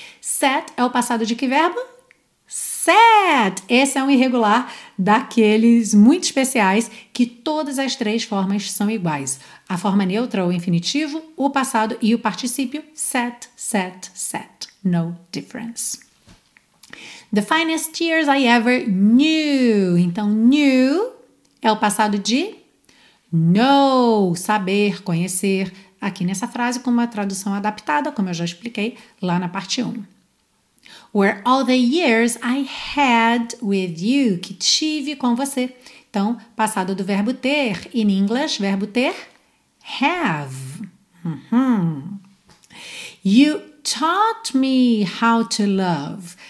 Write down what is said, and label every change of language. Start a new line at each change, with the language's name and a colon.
Portuguese: Set é o passado de que verbo? Set. Esse é um irregular daqueles muito especiais que todas as três formas são iguais. A forma neutra ou infinitivo, o passado e o particípio, set, set, set.
English: No difference. The finest years I ever knew.
Portuguese: Então, knew é o passado de know, saber, conhecer. Aqui nessa frase com uma tradução adaptada, como eu já expliquei lá na parte 1.
English: Were all the years I had with you,
Portuguese: que tive com você. Então, passado do verbo ter,
English: in English,
Portuguese: verbo ter, have. Uhum.
English: You taught me how to love.